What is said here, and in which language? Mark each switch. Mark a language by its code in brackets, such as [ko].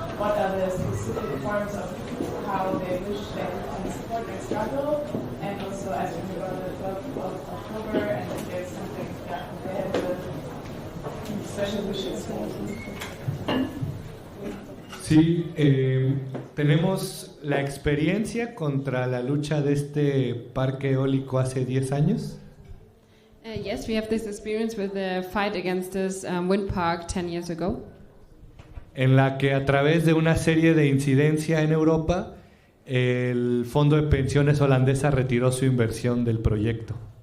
[en] what are the specific forms of how they wish they can support their struggle, and also as we move on the 12th of October, and if there's something that they have the special wishes for. [es] Sí, tenemos la experiencia contra la lucha de este parque eólico hace 10 años. [en] Yes, we have this experience with the fight against this wind park 10 years ago. [es] En la que a través de una serie de incidencia en Europa, el fondo de pensiones holandesa retiró su inversión del proyecto.